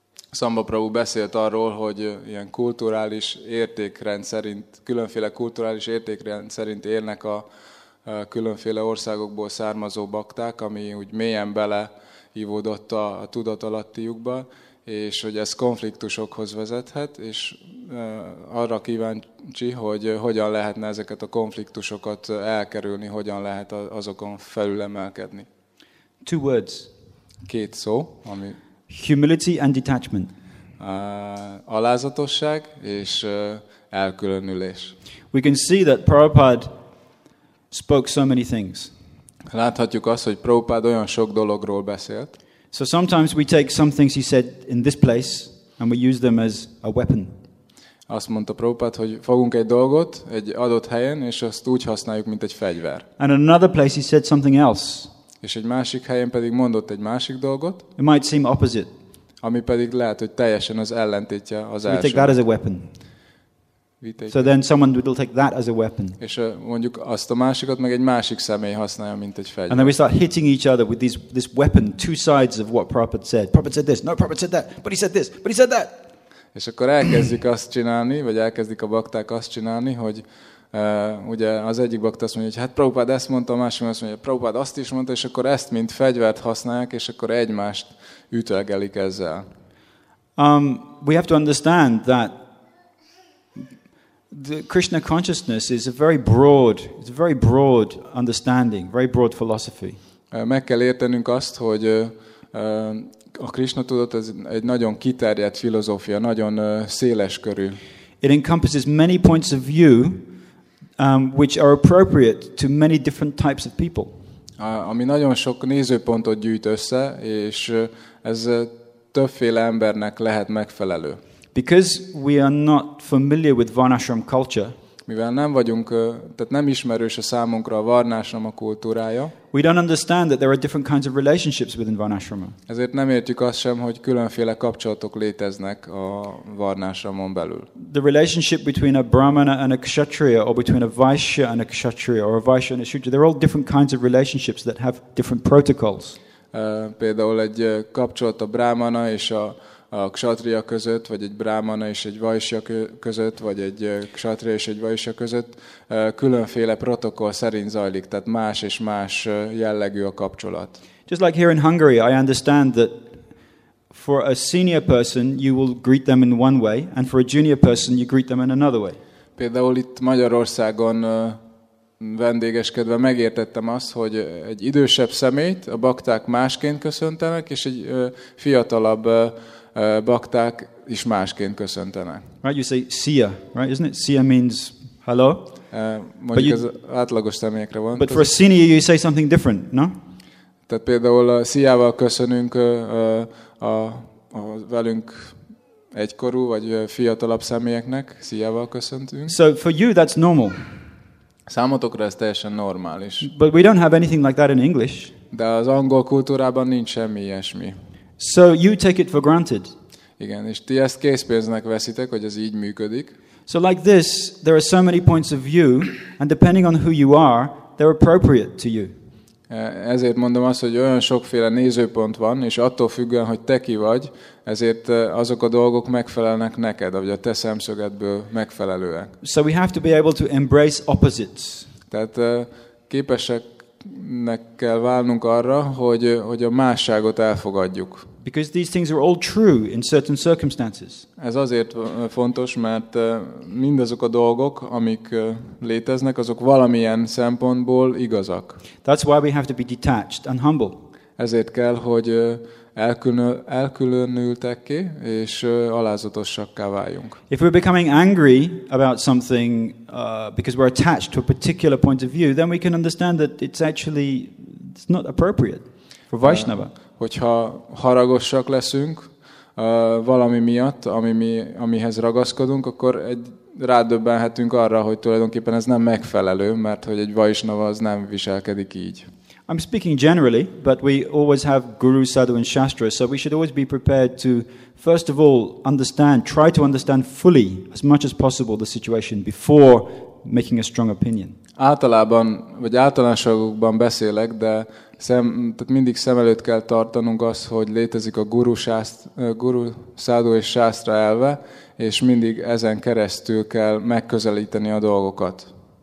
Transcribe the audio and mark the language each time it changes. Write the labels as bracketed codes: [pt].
[hu] Szamba Prabhu beszélt arról, hogy ilyen kulturális értékrend szerint, különféle kulturális értékrend szerint élnek a különféle országokból származó bakták, ami úgy mélyen beleívódott a tudat alattiukba, és hogy ez konfliktusokhoz vezethet, és arra kíváncsi, hogy hogyan lehetne ezeket a konfliktusokat elkerülni, hogyan lehet azokon felülemelkedni. [en] Two words. [hu] Két szó, ami... [en] Humility and detachment. [hu] Alázatosság és elkülönülés. [en] We can see that Prabhupada spoke so many things. [hu] Láthatjuk azt, hogy Prabhupada olyan sok dologról beszélt. [en] So sometimes we take some things he said in this place and we use them as a weapon. [hu] Azt mondta Prabhupada, hogy fogunk egy dolgot egy adott helyen és azt úgy használjuk, mint egy fegyver. [en] And in another place he said something else. [hu] És egy másik helyen pedig mondott egy másik dolgot. [en] It might seem opposite. [hu] Ami pedig lehet, hogy teljesen az ellentétje az [en] we [hu] első. [en] We take that as a weapon. So then someone will take that as a weapon. [hu] És mondjuk azt a másikat meg egy másik személy használja, mint egy fegyver. [en] And then we start hitting each other with this weapon, two sides of what Prabhupada said. Prabhupada said this, no, Prabhupada said that, but he said this, but he said that. [hu] És akkor elkezdik azt csinálni, vagy elkezdik a bakták azt csinálni, hogy ugye az egyik bakta azt mondja, hogy hát Prabhupád ezt mondta, a másik azt mondja, hogy Prabhupád azt is mondta, és akkor ezt, mint fegyvert használják, és akkor egymást ütelgelik ezzel. [en] We have to understand that the Krishna consciousness is a very broad, it's a very broad understanding, very broad philosophy. [hu] Meg kell értenünk azt, hogy a Krishna tudat ez egy nagyon kiterjedt filozófia, nagyon széles körű. [en] It encompasses many points of view, which are appropriate to many different types of people. [hu] Ami nagyon sok nézőpontot gyűjt össze, és ez többféle embernek lehet megfelelő. [en] Because we are not familiar with Varnashram culture, [hu] mivel nem vagyunk, tehát nem ismerős a számunkra a Varnashrama kultúrája, [en] we don't understand that there are different kinds of relationships within Varnashrama. [hu] Ezért nem értjük azt sem, hogy különféle kapcsolatok léteznek a Varnashramon belül. [en] The relationship between a Brahmana and a Kshatriya, or between a Vaishya and a Kshatriya, or a Vaishya and a Shudra, they're all different kinds of relationships that have different protocols. [hu] Például egy kapcsolat a Brahmana és a Kshatriya között, vagy egy Brahmana és egy Vaishya között, vagy egy Kshatriya és egy Vaishya között különféle protokoll szerint zajlik, tehát más és más jellegű a kapcsolat. [en] Just like here in Hungary, I understand that for a senior person you will greet them in one way, and for a junior person you greet them in another way. [hu] Például itt Magyarországon vendégeskedve megértettem azt, hogy egy idősebb szemét a bakták másként köszöntenek, és egy fiatalabb bakták is másként köszöntenek. [en] Right, you say Sia, right? Isn't it? Sia means hello. [hu] Mondjuk az átlagos személyekre van. [en] But for a senior, you say something different, no? [hu] Tehát például a Sia-val köszönünk a velünk egykorú vagy fiatalabb személyeknek, Sia-val köszöntünk. [en] So for you, that's normal. [hu] Számotokra ez teljesen normális. [en] But we don't have anything like that in English. [hu] De az angol kultúrában nincs semmi ilyesmi. [en] So you take it for granted. [hu] Igen, és ti ezt készpénznek veszitek, hogy ez így működik. [en] So like this, there are so many points of view, and depending on who you are, they're appropriate to you. [hu] Ezért mondom azt, hogy olyan sokféle nézőpont van, és attól függően, hogy te ki vagy, ezért azok a dolgok megfelelnek neked, vagy a te szemszögedből megfelelőek. [en] So we have to be able to embrace opposites. [hu] Tehát képeseknek kell válnunk arra, hogy a másságot elfogadjuk. [en] Because these things are all true in certain circumstances. [hu] Ez azért fontos, mert mindazok a dolgok, amik léteznek, azok valamilyen szempontból igazak. [en] That's why we have to be detached and humble. [hu] Ezért kell, hogy elkülönültekké és alázatosakká váljunk. [en] If we're becoming angry about something because we're attached to a particular point of view, then we can understand that it's not appropriate for Vaishnava. [hu] Hogyha haragosak leszünk valami miatt, amihez ragaszkodunk, akkor rádöbbenhetünk arra, hogy tulajdonképpen ez nem megfelelő, mert hogy egy Vaishnava az nem viselkedik így. [en] I'm speaking generally, but we always have Guru, Sadhu and Shastra, so we should always be prepared to, first of all, try to understand fully, as much as possible, the situation before making a strong opinion. [hu] Általában, vagy általánosságokban beszélek, de tehát mindig szem előtt kell tartanunk azt, hogy létezik a guru, szádó és sásztra elve, és mindig ezen keresztül kell megközelíteni a dolgokat.